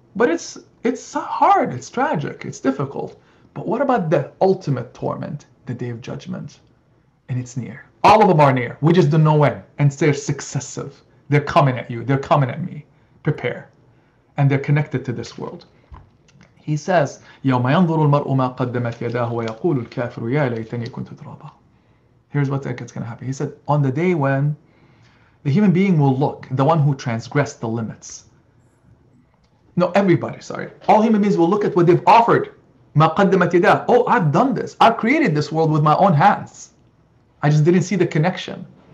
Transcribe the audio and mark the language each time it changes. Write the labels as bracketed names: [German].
[English] But it's hard. It's tragic. It's difficult. But what about the ultimate torment, the day of judgment? And it's near. All of them are near. We just don't know when. And they're successive. They're coming at you. They're coming at me. Prepare. And they're connected to this world. He says, [Arabic] يَوْمَ يَنْظُرُ الْمَرْءُ مَا قَدَّمَتْ يَدَاهُ وَيَقُولُ الْكَافِرُ يَا لَيْتَنِي كُنْتُ تُرَابًا. [English] Here's what it's going to happen. He said, on the day when the human being will look, the one who transgressed the limits. No, everybody, sorry. All human beings will look at what they've offered. [Arabic] مَا قَدَّمَتْ يَدَاهُ. [English] Oh, I've done this. I've created this world with my own hands. I just didn't see the connection.